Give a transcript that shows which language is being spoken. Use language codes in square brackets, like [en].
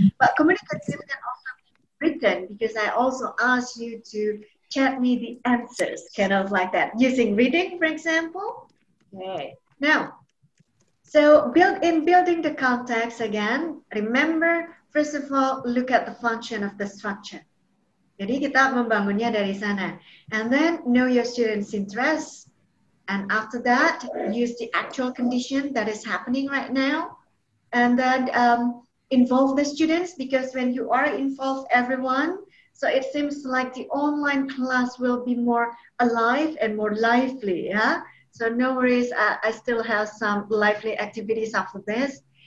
[en] But communicative can also be written because I also asked you to chat me the answers, kind of like that, using reading, for example. Okay. Now, so building the context again, remember, first of all, look at the function of the structure. [id] Jadi kita membangunnya dari sana. [en] And then know your students' interests. And after that, use the actual condition that is happening right now. And then involve the students, because when you are involved, everyone, so it seems like the online class will be more alive and more lively, yeah? So no worries, I still have some lively activities after this.